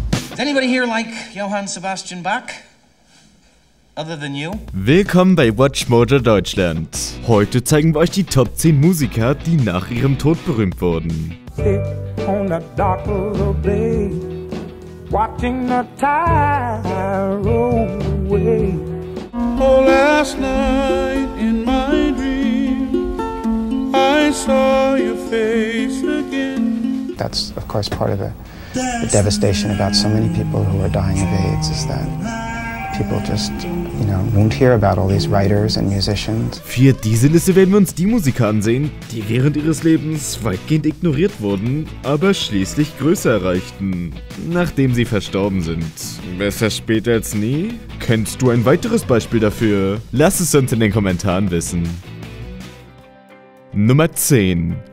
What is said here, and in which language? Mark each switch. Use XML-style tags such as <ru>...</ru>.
<en>Does anybody here like Johann Sebastian Bach? Other than you?</en> <de>Willkommen bei WatchMojo Deutschland. Heute zeigen wir euch die Top 10 Musiker, die nach ihrem Tod berühmt wurden.</de> <en>Sit on a dock of the bay, watching the tide roll away. Oh, last night in my dream, I saw your face again. That's of course part of the devastation about so many people who are dying of AIDS is that people just, you know, won't hear about all these writers and musicians.</en> <de>Für diese Liste werden wir uns die Musiker ansehen, die während ihres Lebens weitgehend ignoriert wurden, aber schließlich Größe erreichten, nachdem sie verstorben sind. Besser spät als nie? Kennst du ein weiteres Beispiel dafür? Lass es uns in den Kommentaren wissen. Nummer 10.</de>